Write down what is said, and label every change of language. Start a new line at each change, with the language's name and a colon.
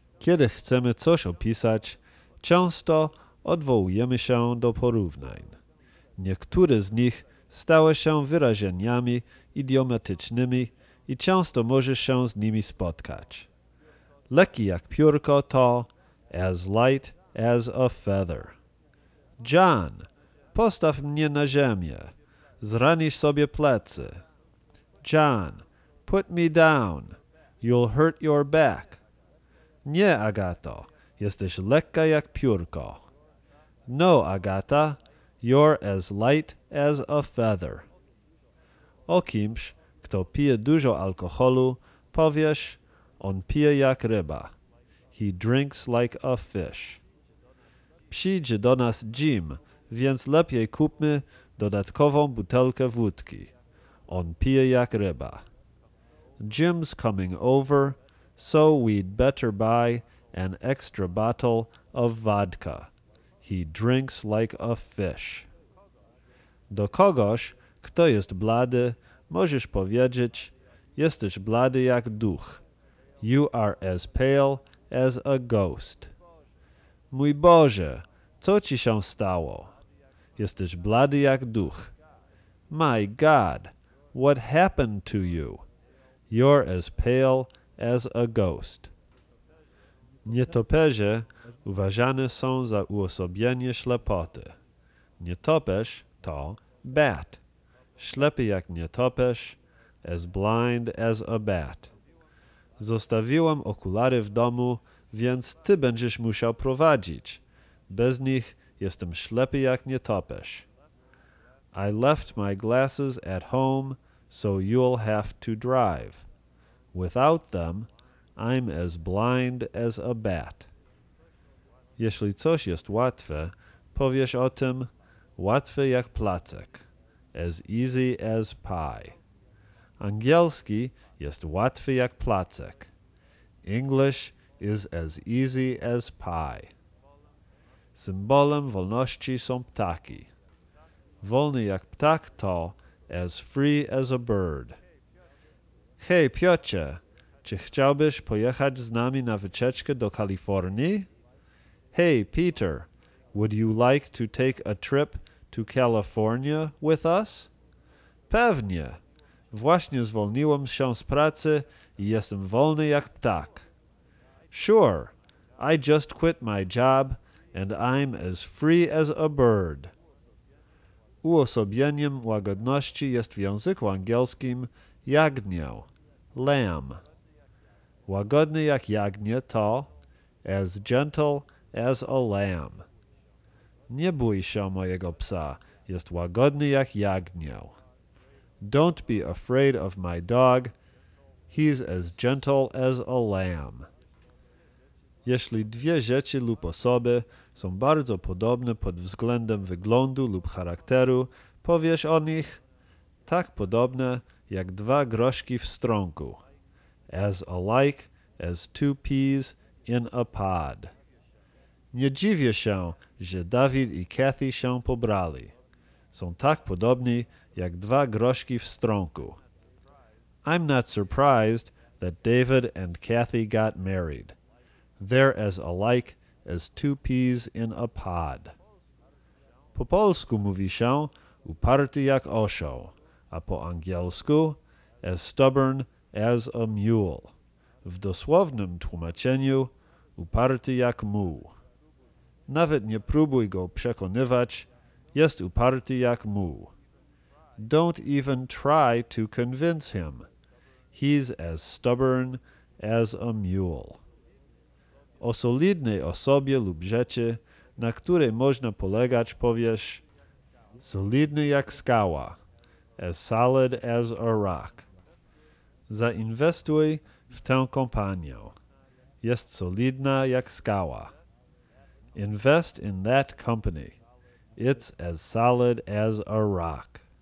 Polish: Kiedy chcemy coś opisać, często odwołujemy się do porównań. Niektóre z nich stały się wyrażeniami idiomatycznymi i często możesz się z nimi spotkać. Lekki jak piórko to
English: as light as a feather.
Polish: John, postaw mnie na ziemię. Zranisz sobie plecy.
English: John, put me down. You'll hurt your back.
Polish: Nie, Agato, jesteś lekka jak piórko.
English: No, Agata, you're as light as a feather.
Polish: O kimś, kto pije dużo alkoholu, powiesz, on pije jak ryba.
English: He drinks like a fish.
Polish: Przyjdzie do nas Jim, więc lepiej kupmy dodatkową butelkę wódki. On pije jak ryba.
English: Jim's coming over, so we'd better buy an extra bottle of vodka. He drinks like a fish.
Polish: Do kogoś, kto jest blady, możesz powiedzieć, jesteś blady jak duch.
English: You are as pale as a ghost.
Polish: Mój Boże, co ci się stało? Jesteś blady jak duch.
English: My God, what happened to you? You're as pale as a ghost.
Polish: Nietoperze uważane są za uosobienie ślepoty. Nietoperz to bat. Ślepy jak nietoperz,
English: as blind as a bat.
Polish: Zostawiłam okulary w domu, więc ty będziesz musiał prowadzić. Bez nich jestem ślepy jak nietoperz.
English: I left my glasses at home, so you'll have to drive. Without them, I'm as blind as a bat.
Polish: Jeśli coś jest łatwe, powiesz o tym, łatwe jak placek,
English: as easy as pie.
Polish: Angielski jest łatwy jak placek.
English: English is as easy as pie.
Polish: Symbolem wolności są ptaki. Wolny jak ptak to
English: as free as a bird.
Polish: Hej, Piotrze, czy chciałbyś pojechać z nami na wycieczkę do Kalifornii?
English: Hey, Peter, would you like to take a trip to California with us?
Polish: Pewnie. Właśnie zwolniłem się z pracy i jestem wolny jak ptak.
English: Sure, I just quit my job and I'm as free as a bird.
Polish: Uosobieniem łagodności jest w języku angielskim jagnię, lamb. Łagodny jak jagnię to
English: as gentle as a lamb.
Polish: Nie bój się mojego psa, jest łagodny jak jagnię.
English: Don't be afraid of my dog, he's as gentle as a lamb.
Polish: Jeśli dwie rzeczy lub osoby są bardzo podobne pod względem wyglądu lub charakteru, powiesz o nich tak podobne jak dwa groszki w strąku.
English: As alike as two peas in a pod.
Polish: Nie dziwię się, że Dawid i Kathy się pobrali. Są tak podobni jak dwa groszki w strąku.
English: I'm not surprised that David and Kathy got married. They're as alike as two peas in a pod.
Polish: Po polsku mówi się uparty jak osioł, a po angielsku
English: as stubborn as a mule.
Polish: W dosłownym tłumaczeniu uparty jak muł. Nawet nie próbuj go przekonywać, jest uparty jak muł.
English: Don't even try to convince him. He's as stubborn as a mule.
Polish: O solidnej osobie lub rzeczy, na której można polegać, powiesz solidny jak skała,
English: as solid as a rock.
Polish: Zainwestuj w tę kompanię. Jest solidna jak skała.
English: Invest in that company. It's as solid as a rock.